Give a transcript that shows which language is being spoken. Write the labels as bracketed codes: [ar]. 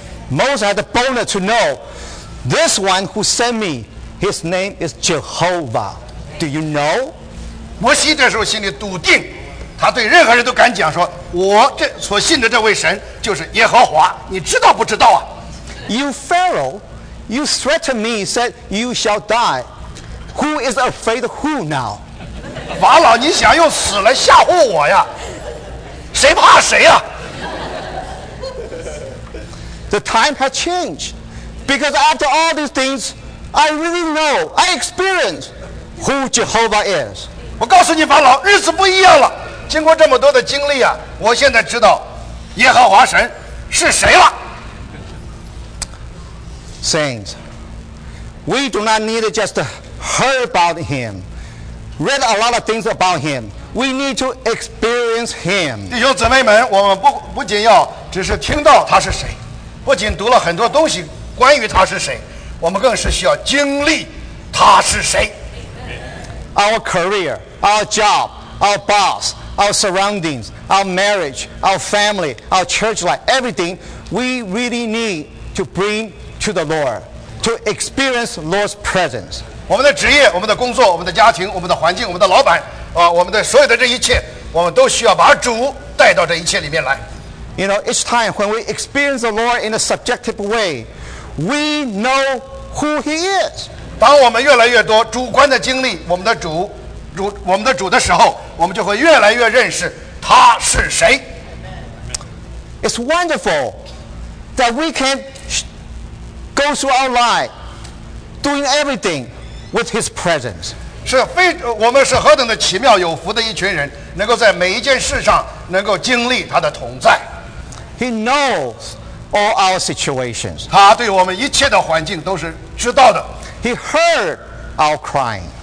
[en] Moses had the boldness to know this one who sent me. His name is Jehovah. Do you know? [zh] 摩西这时候心里笃定，他对任何人都敢讲说，我这所信的这位神就是耶和华。你知道不知道啊 [en] ？You Pharaoh, you threatened me, said you shall die. Who is afraid of who now? [zh] 法老，你想用死来吓唬我呀？谁怕谁呀 [en] ？The time has changed, because after all these things, I really know, I experience who Jehovah is. [zh] 我告诉你，法老，日子不一样了。经过这么多的经历啊，我现在知道耶和华神是谁了。 [en] Saints, we do not need just to hear about him. Read a lot of things about him. We need to experience him. [zh] 弟兄姊妹们，我们不仅要只是听到他是谁，不仅读了很多东西关于他是谁，我们更是需要经历他是谁。 [en] Our career, our job, our boss, our surroundings, our marriage, our family, our church life, everything we really need to bring to the Lord to experience Lord's presence. [zh] 我们的职业，我们的工作，我们的家庭，我们的环境，我们的老板，我们的所有的这一切，我们都需要把主带到这一切里面来。 [en] You know, each time when we experience the Lord in a subjective way, we know who He is. [zh] 当我们越来越多主观的经历我们的主，我们的主的时候，我们就会越来越认识他是谁。 [en] It's wonderful that we can go through our life, doing everything with His presence. [zh] 是非我们是何等的奇妙有福的一群人，能够在每一件事上能够经历他的同在。 [en] He knows all our situations. [zh] 他对我们一切的环境都是知道的。 [en] He heard our crying.